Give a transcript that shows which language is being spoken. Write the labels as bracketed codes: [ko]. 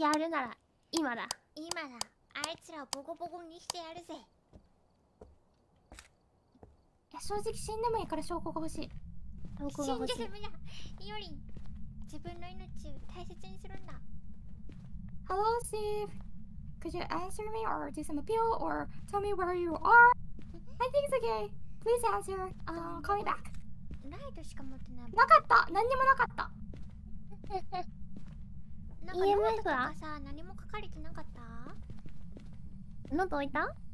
[ja] やるなら今だ。今だ。あいつらをボコボコにしてやるぜ。いや、正直死んでもいいから証拠が欲しい。証拠が欲しい。死んでもいいな。イオリン、自分の命を大切にするんだ。 [en] Hello, Steve. Could you answer me or do some appeal or tell me where you are? I think it's okay. Please answer. Call me back. [ja] ライトしか持ってない。なかった、何にもなかった。なんかノートとかさ、何も書かれてなかった。喉開いた？うん。